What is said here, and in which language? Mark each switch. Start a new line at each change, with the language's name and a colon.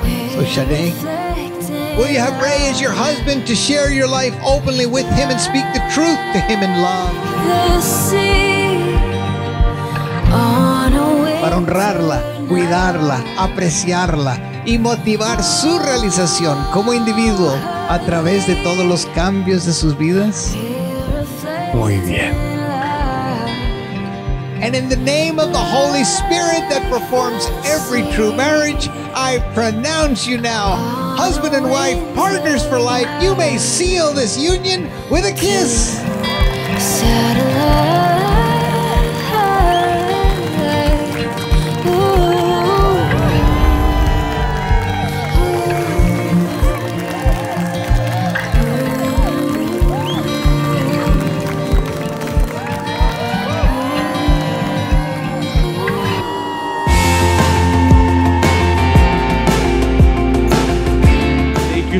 English: So Sadae, will you have Ray as your husband to share your life openly with him and speak the truth to him in love?
Spanish: Para honrarla, cuidarla, apreciarla y motivar su realización como individuo a través de todos los cambios de sus vidas. Muy bien.
English: And in the name of the Holy Spirit that performs every true marriage, I pronounce you now husband and wife, partners for life. You may seal this union with a kiss. Thank you